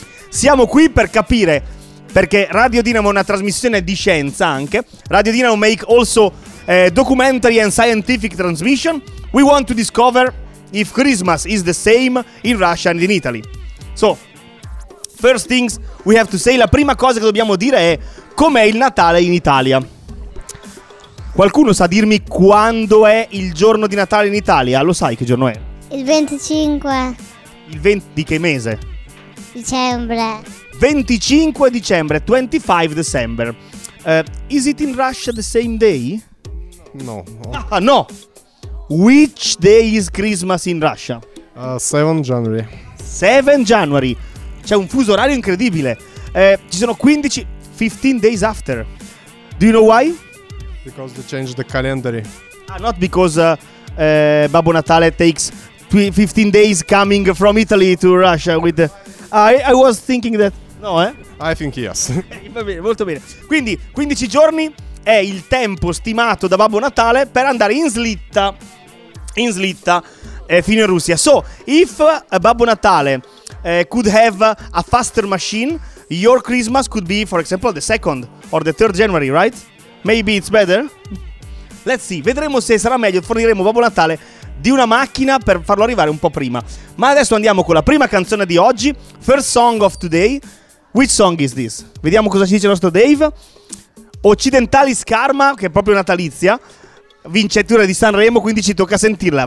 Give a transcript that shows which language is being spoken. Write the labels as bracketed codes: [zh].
[it] Siamo qui per capire, perché Radio Dinamo è una trasmissione di scienza anche. [en] Radio Dinamo make also documentary and scientific transmission. We want to discover if Christmas is the same in Russia and in Italy. So, first things we have to say. [it] La prima cosa che dobbiamo dire è: com'è il Natale in Italia? Qualcuno sa dirmi quando è il giorno di Natale in Italia? Lo sai che giorno è? Il 25. Il 20 di che mese? Dicembre. 25 dicembre, [en] 25 December. Is it in Russia the same day? No, no. Ah, no. Which day is Christmas in Russia? 7 January. 7 January. [it] C'è un fuso orario incredibile. Ci sono [en] 15 days after. Do you know why? Because they changed the calendar. Not because Babbo Natale takes 15 days coming from Italy to Russia with the... I was thinking that. No, eh? I think yes. [it] Va bene, molto bene. Quindi 15 giorni è il tempo stimato da Babbo Natale per andare in slitta fino in Russia. [en] So, if Babbo Natale could have a faster machine, your Christmas could be, for example, the 2nd or the 3rd January, right? Maybe it's better? Let's see, [it] vedremo se sarà meglio. Forniremo Babbo Natale di una macchina per farlo arrivare un po' prima. Ma adesso andiamo con la prima canzone di oggi, [en] first song of today. Which song is this? [it] Vediamo cosa ci dice il nostro Dave. Occidentalis Karma, che è proprio natalizia, vincitore di Sanremo, quindi ci tocca sentirla.